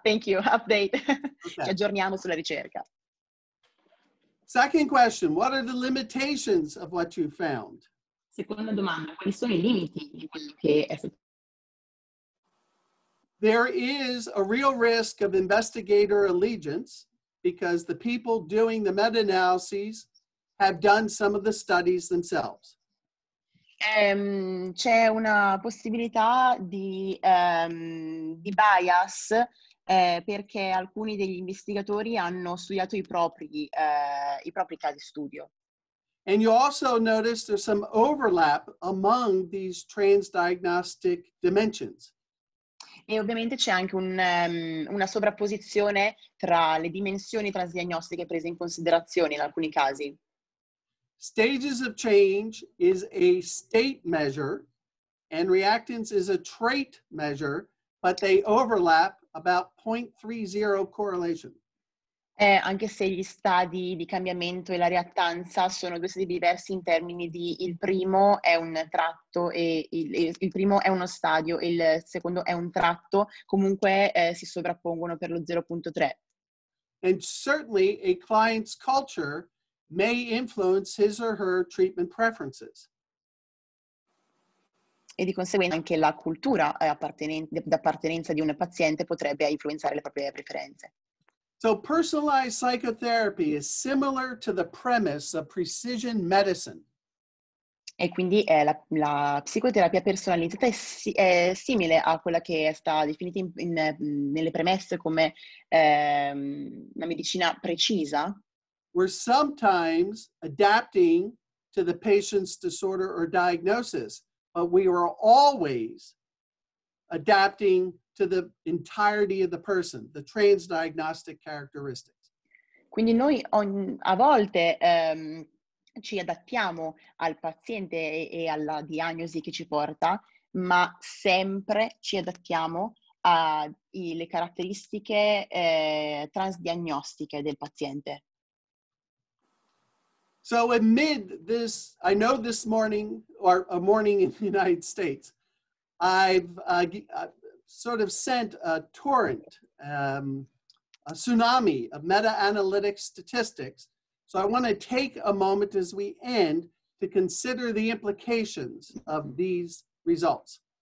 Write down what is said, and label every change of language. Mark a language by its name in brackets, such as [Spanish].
[English] Thank you, update. Okay. [Italian] Ci aggiorniamo sulla ricerca. [English] Second question, what are the limitations of what you found? [Italian] Seconda domanda, quali sono i limiti di quello che è stato? [English] There is a real risk of investigator allegiance because the people doing the meta-analyses have done some of the studies themselves. [Italian] C'è una possibilità di bias perché alcuni degli investigatori hanno studiato i propri casi studio. [English] And you also notice there's some overlap among these transdiagnostic dimensions. [Italian] E ovviamente c'è anche una sovrapposizione tra le dimensioni transdiagnostiche prese in considerazione in alcuni casi. [English] Stages of change is a state measure and reactance is a trait measure, but they overlap about 0.30 correlation. [Italian] Anche se gli stadi di cambiamento e la reattanza sono due stati diversi in termini di il primo è un tratto e il primo è uno stadio e il secondo è un tratto, comunque si sovrappongono per lo 0.3. [English] And certainly a client's culture may influence his or her treatment preferences. [Italian] E di conseguenza anche la cultura d'appartenenza di un paziente potrebbe influenzare le proprie preferenze. [English] So personalized psychotherapy is similar to the premise of precision medicine. [Italian] E quindi la psicoterapia personalizzata è simile a quella che è stata definita nelle premesse come una medicina precisa. [English] We're sometimes adapting to the patient's disorder or diagnosis, but we are always adapting to the entirety of the person, the transdiagnostic characteristics. [Italian] Quindi noi a volte ci adattiamo al paziente e alla diagnosi che ci porta, ma sempre ci adattiamo alle caratteristiche transdiagnostiche del paziente. [English] So amid this, I know this morning, or a morning in the United States, I've sort of sent a torrent, a tsunami of meta-analytic statistics. So I want to take a moment as we end to consider the implications of these results.